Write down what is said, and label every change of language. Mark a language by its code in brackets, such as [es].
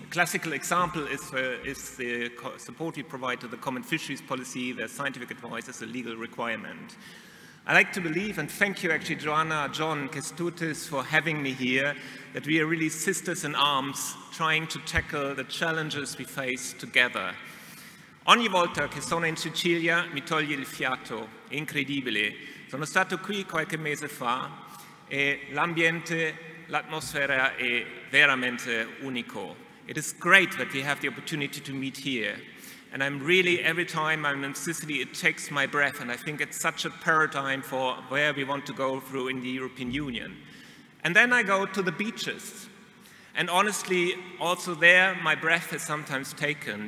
[en] A classical example is the support we provide to the Common Fisheries Policy, where scientific advice is a legal requirement. I like to believe, and thank you actually, Joanna, John, Kestutis, for having me here, that we are really sisters in arms trying to tackle the challenges we face together. [it] Ogni volta che sono in Sicilia mi toglie il fiato, incredibile. Sono stato qui qualche mese fa e l'ambiente, l'atmosfera è veramente unico. [en] It is great that we have the opportunity to meet here. And I'm really, every time I'm in Sicily, it takes my breath, and I think it's such a paradigm for where we want to go through in the European Union. And then I go to the beaches. And honestly, also there, my breath is sometimes taken.